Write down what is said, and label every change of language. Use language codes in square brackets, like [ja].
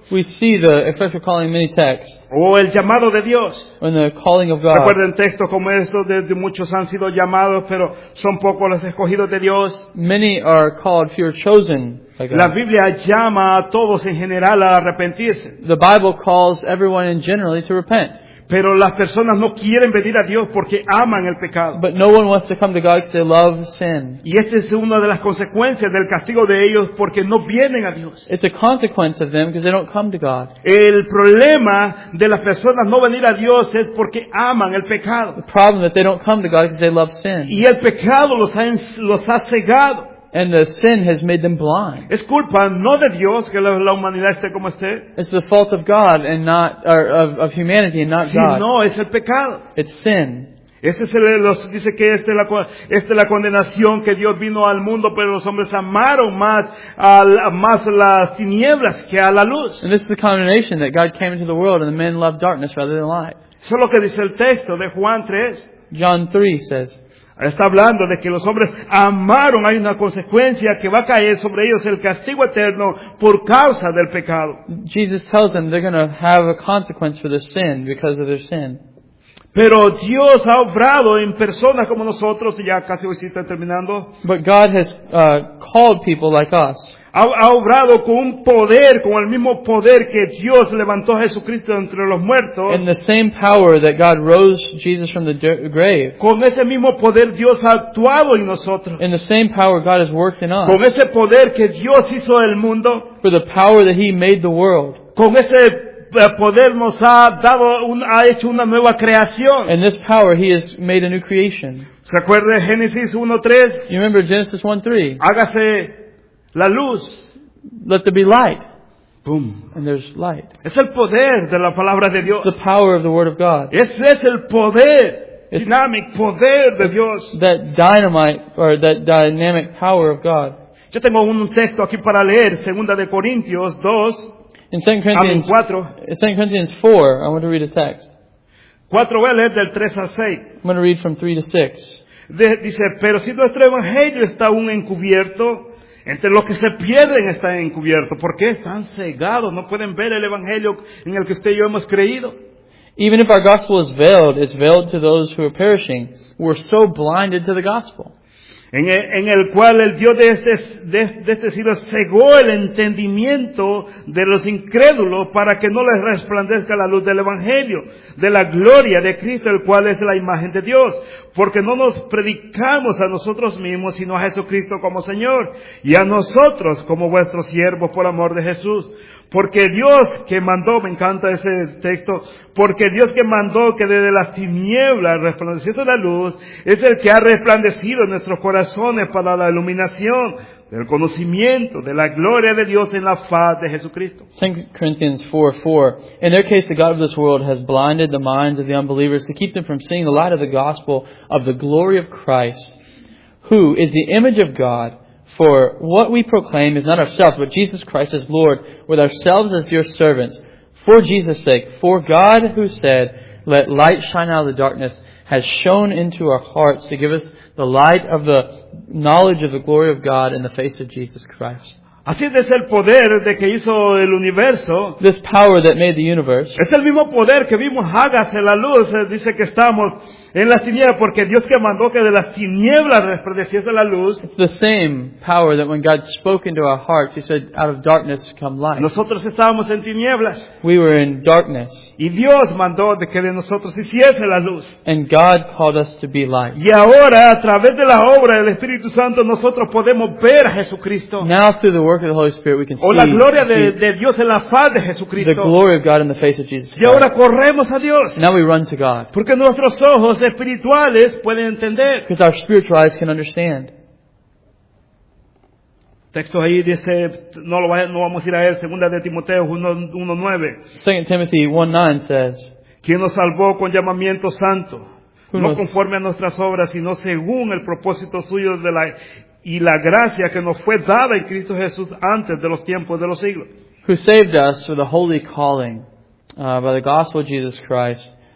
[en] We see the effectual calling in many texts. [es] O el llamado de Dios. [en] And the calling of God. [es] Recuerden textos como estos, de muchos han sido llamados, pero son pocos los escogidos de Dios. [en] Many are called, few are chosen. [es] La Biblia llama a todos en general a arrepentirse. [en] The Bible calls everyone in generally to repent. [es] Pero las personas no quieren venir a Dios porque aman el pecado. [en] But no one wants to come to God because they love sin. [es] Y esta es una de las consecuencias del castigo de ellos porque no vienen a Dios. [en] It's a consequence of them because they don't come to God. [es] El problema de las personas no venir a Dios es porque aman el pecado. [en] The problem that they don't come to God because they love sin. [es] Y el pecado los ha cegado. [en] And the sin has made them blind. [es] Es culpa no de Dios que la humanidad esté como esté. [en] It's the fault of God and not of humanity and not [es] sí, [en] God. [es] No, es el pecado. [en] It's sin. [es] Ese es dice que esta es la condenación que Dios vino al mundo, pero los hombres amaron más las tinieblas que a la luz. [en] And this is the condemnation that God came into the world and the men loved darkness rather than light. [es] Eso es lo que dice el texto de Juan 3. [en] John 3 says. [es] Está hablando de que los hombres amaron. Hay una consecuencia que va a caer sobre ellos, el castigo eterno por causa del pecado. [en] Jesus tells them they're going to have a consequence for their sin because of their sin. [es] Pero Dios ha obrado en personas como nosotros, y ya casi hoy está terminando. [en] But God has called people like us. [es] Ha obrado con un poder, con el mismo poder que Dios levantó a Jesucristo entre los muertos. [en] In the same power that God rose Jesus from the grave. [es] Con ese mismo poder Dios ha actuado en nosotros. [en] In the same power God has worked in us. [es] Con ese poder que Dios hizo el mundo. [en] For the power that he made the world. [es] Con ese poder nos ha dado, ha hecho una nueva creación. [en] In this power he has made a new creation. [es] ¿Se acuerda Génesis 1:3? [en] You remember Genesis 1:3? [es] Hágase la luz. [en] Let there be light. Boom. And there's light. [es] Es el poder de la palabra de Dios. [en] The power of the word of God. [es] Es el poder. [en] It's dynamic [es] poder de Dios. [en] That dynamite or that dynamic power of God. [es] Yo tengo un texto aquí para leer. Segunda de Corintios 2. [en] In 2 Corinthians 4. In 2 Corinthians 4. I want to read a text. [es] 4 voy a leer del 3 al 6. [en] I'm going to read from 3 to 6. [es] Dice, pero si nuestro evangelio está aún encubierto, entre los que se pierden está encubierto. ¿Por qué están cegados? No pueden ver el evangelio en el que usted y yo hemos creído. [en] Even if our gospel is veiled, it's veiled to those who are perishing. We're so blinded to the gospel. [es] En el cual el Dios de este siglo cegó el entendimiento de los incrédulos para que no les resplandezca la luz del evangelio, de la gloria de Cristo, el cual es la imagen de Dios. Porque no nos predicamos a nosotros mismos, sino a Jesucristo como Señor, y a nosotros como vuestros siervos por amor de Jesús. Porque Dios que mandó, me encanta ese texto, porque Dios que mandó que desde las tinieblas resplandeciese la luz, es el que ha resplandecido nuestros corazones para la iluminación del conocimiento de la gloria de Dios en la faz de Jesucristo. [en] 2 Corinthians 4:4. In their case, the God of this world has blinded the minds of the unbelievers to keep them from seeing the light of the gospel of the glory of Christ, who is the image of God. For what we proclaim is not ourselves, but Jesus Christ as Lord, with ourselves as your servants, for Jesus' sake. For God, who said, let light shine out of the darkness, has shone into our hearts to give us the light of the knowledge of the glory of God in the face of Jesus Christ. [es] Así es el poder de que hizo el universo. [en] This power that made the universe. [es] Es el mismo poder que vimos, hágase la luz, dice que estamos en las tinieblas, porque Dios que mandó que de las tinieblas resplandeciese la luz. [en] It's the same power that when God spoke into our hearts, he said, out of darkness come light. [es] Nosotros estábamos en tinieblas. [en] We were in darkness. [es] Y Dios mandó de que de nosotros hiciese la luz. [en] And God called us to be light. [es] Y ahora, a través de la obra del Espíritu Santo, nosotros podemos ver a Jesucristo. [en] Now through the work of the Holy Spirit, we can see. [es] O la gloria de Dios en la faz de Jesucristo. [en] The glory of God in the face of Jesus Christ. [es] Y ahora corremos a Dios. [en] Now we run to God. [es] Porque nuestros ojos espirituales pueden entender. [en] Because our spiritual eyes can understand. [es] Texto ahí dice, no vamos a ir a él, 2 Timoteo 1:9. [en] 2 Timothy 1:9 says, [es] quien nos salvó con llamamiento santo, no conforme a nuestras obras, sino según el propósito suyo de la y la gracia que nos fue dada en Cristo Jesús antes de los tiempos de los siglos. [en] Who saved us with a holy calling by the gospel of Jesus Christ.